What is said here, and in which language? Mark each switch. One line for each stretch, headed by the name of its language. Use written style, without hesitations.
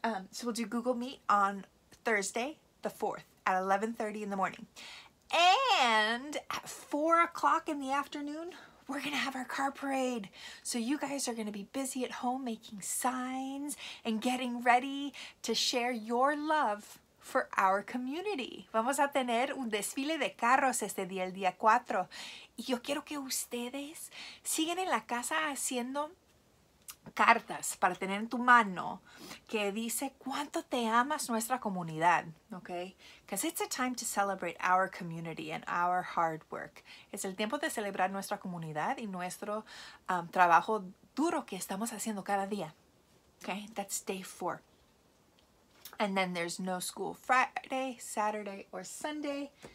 English: So we'll do Google Meet on Thursday, the 4th, at 11:30 in the morning. And at 4 o'clock in the afternoon, we're gonna have our car parade. So you guys are gonna be busy at home making signs and getting ready to share your love for our community.
Spanish: Vamos a tener un desfile de carros este día, el día 4. Y yo quiero que ustedes sigan en la casa haciendo cartas para tener en tu mano que dice cuánto te amas nuestra comunidad, ¿ok?
English: Because it's a time to celebrate our community and our hard work.
Spanish: Es el tiempo de celebrar nuestra comunidad y nuestro trabajo duro que estamos haciendo cada día.
English: Okay, that's day 4. And then there's no school Friday, Saturday, or Sunday.